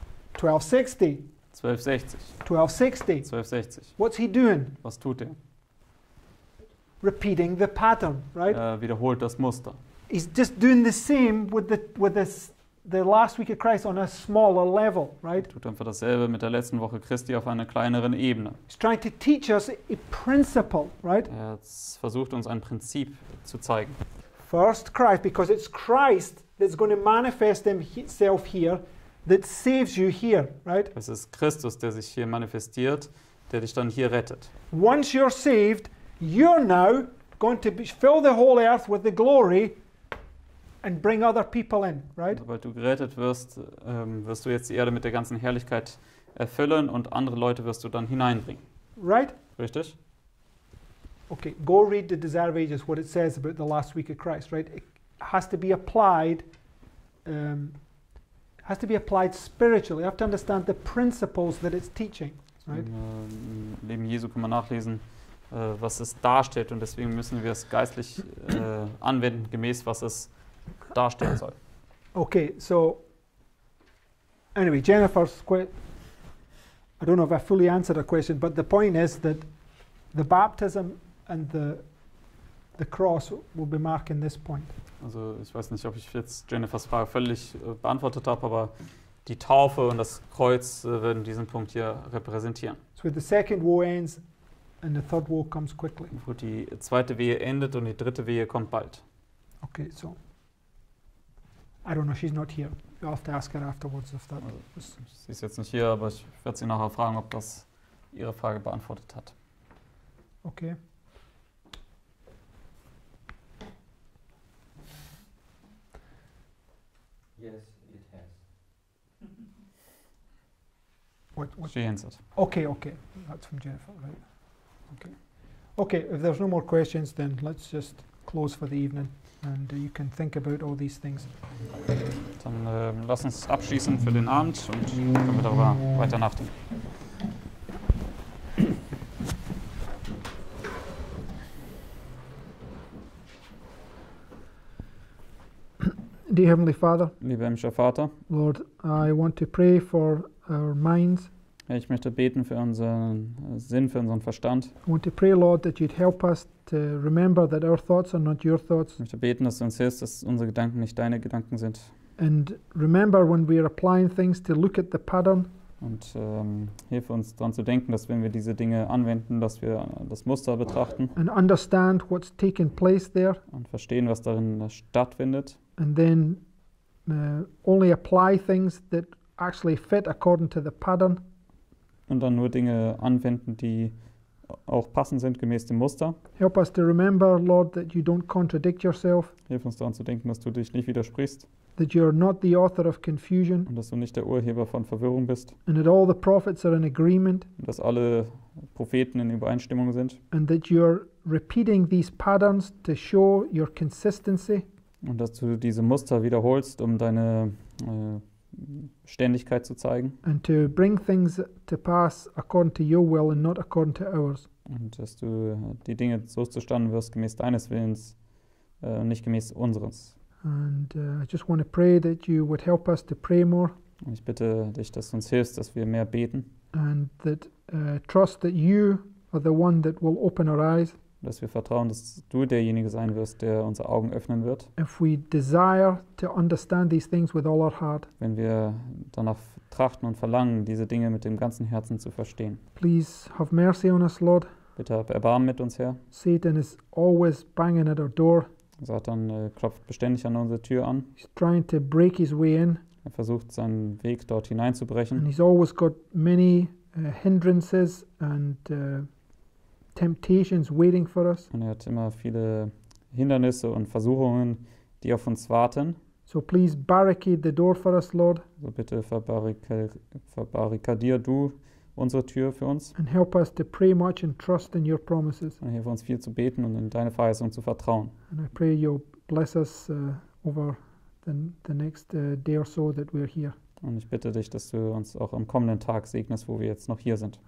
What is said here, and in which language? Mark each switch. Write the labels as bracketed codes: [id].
[en] 1260. [de] 1260. [en] 1260. [de] 1260. [en] What's he doing? [de] Was tut er? [en] Repeating the pattern, right? [de] Wiederholt das Muster. [en] He's just doing the same with the last week of Christ on a smaller level, right? [de] Tut einfach dasselbe mit der letzten Woche Christi auf einer kleineren Ebene. [en] He's trying to teach us a principle, right? [de] Er versucht uns ein Prinzip zu zeigen. [en] First Christ, because it's Christ that's going to manifest himself here. That saves you here, right? [de] Es ist Christus, der sich hier manifestiert, der dich dann hier rettet. [en] Once you're saved, you're now going to fill the whole earth with the glory and bring other people in, right? [de] Sobald du gerettet wirst, wirst du jetzt die Erde mit der ganzen Herrlichkeit erfüllen und andere Leute wirst du dann hineinbringen. [en] Right? [de] Richtig? [en] Okay, go read the Desire of Ages, what it says about the last week of Christ, right? It has to be applied has to be applied spiritually. You have to understand the principles that it's teaching. Right? [de] Im Leben Jesu kann man nachlesen, was es darstellt, und deswegen müssen wir es geistlich anwenden, gemäß was es darstellen soll. [en] Okay, so anyway, Jennifer's I don't know if I fully answered her question, but the point is that the baptism and the cross will be marking this point. [de] Also ich weiß nicht, ob ich jetzt Jennifers Frage völlig beantwortet habe, aber die Taufe und das Kreuz werden diesen Punkt hier repräsentieren. [en] So the second war ends and the third war comes quickly. [de] Wo die zweite Wehe endet und die dritte Wehe kommt bald. [en] Okay, so. I don't know, she's not here. You'll have to ask her afterwards if that also, was. [de] Sie ist jetzt nicht hier, aber ich werde sie nachher fragen, ob das ihre Frage beantwortet hat. [en] Okay. Yes, it has. What? She answered. Okay, okay. That's from Jennifer, right? Okay. Okay, if there's no more questions, then let's just close for the evening and you can think about all these things. [de] Dann lass uns abschließen für den Abend und können wir darüber weiter nachdenken. [en] Dear Heavenly Father, [de] lieber himmlischer Vater, [en] Lord, I want to pray for our minds. [de] Ich möchte beten für unseren Sinn, für unseren Verstand. [en] I want to pray, Lord, that you'd help us to remember that our thoughts are not your thoughts. [de] Ich möchte beten, dass du uns hilfst, dass unsere Gedanken nicht deine Gedanken sind. [en] And remember when we are applying things to look at the pattern. [de] Und hilf uns daran zu denken, dass wenn wir diese Dinge anwenden, dass wir das Muster betrachten. [en] And understand what's taking place there. [de] Und verstehen, was darin stattfindet. [en] And then only apply things that actually fit according to the pattern. [de] Und dann nur Dinge anwenden, die auch passend sind gemäß dem Muster. [en] Help us to remember, Lord, that you don't contradict yourself. [de] Hilf uns daran zu denken, dass du dich nicht widersprichst. [en] That you're not the author of confusion. [de] Und dass du nicht der Urheber von Verwirrung bist. [en] And that all the prophets are in agreement. [de] Und dass alle Propheten in Übereinstimmung sind. [en] And that you're repeating these patterns to show your consistency. [de] Und dass du diese Muster wiederholst, um deine Ständigkeit zu zeigen. [en] And to bring things to pass according to your will and not according to ours. [de] Und dass du die Dinge so zustande wirst, gemäß deines Willens, nicht gemäß unseres. [en] And I just want to pray that you would help us to pray more. [de] Und ich bitte dich, dass du uns hilfst, dass wir mehr beten. [en] And that trust that you are the one that will open our eyes. [de] Dass wir vertrauen, dass du derjenige sein wirst, der unsere Augen öffnen wird. [en] If we desire to understand these things with all our heart. [de] Wenn wir danach trachten und verlangen, diese Dinge mit dem ganzen Herzen zu verstehen. [en] Please have mercy on us, Lord. [de] Bitte hab Erbarmen mit uns, Herr. [en] Satan is always banging at our door. [de] Satan klopft beständig an unsere Tür an. [en] He's trying to break his way in. [de] Er versucht, seinen Weg dort hineinzubrechen. [en] And he's always got many hindrances and temptations waiting for us. [de] Und er hat immer viele Hindernisse und Versuchungen, die auf uns warten. [en] So please barricade the door for us, Lord. [de] So bitte verbarrikadier du unsere Tür für uns. [en] And help us to pray much and trust in your promises. [de] Und hilf uns viel zu beten und in deine Verheißung zu vertrauen. [en] And I pray you'll bless us over the next day or so that we're here. [de] Und ich bitte dich, dass du uns auch am kommenden Tag segnest, wo wir jetzt noch hier sind.